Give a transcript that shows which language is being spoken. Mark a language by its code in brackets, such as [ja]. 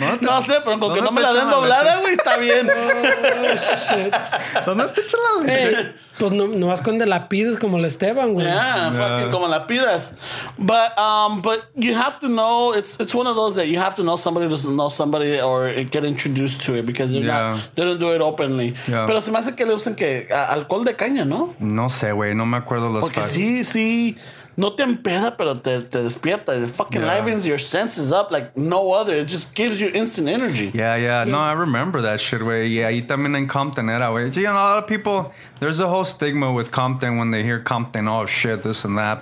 [es] No sé, pero con que no me la den doblada, güey, está bien. [en] Oh, shit. [es] ¿Dónde te echan la leche? Hey, pues nomás cuando la pides como el Esteban, güey. [en] Yeah, fucking [es] como la pidas. [en] But you have to know, it's one of those that you have to know somebody who doesn't know somebody or get introduced to it because they don't do it openly. Yeah. [es] Pero se me hace que le usen que alcohol de caña, ¿no? No sé, güey, no me acuerdo los porque fallos. Sí, no te empeda, pero te despierta. [en] It fucking livens your senses up like no other. It just gives you instant energy. Yeah. No, I remember that shit, güey. Yeah, [es] y también en Compton era, güey. [en] You know, a lot of people, there's a whole stigma with Compton when they hear Compton, oh, shit, this and that.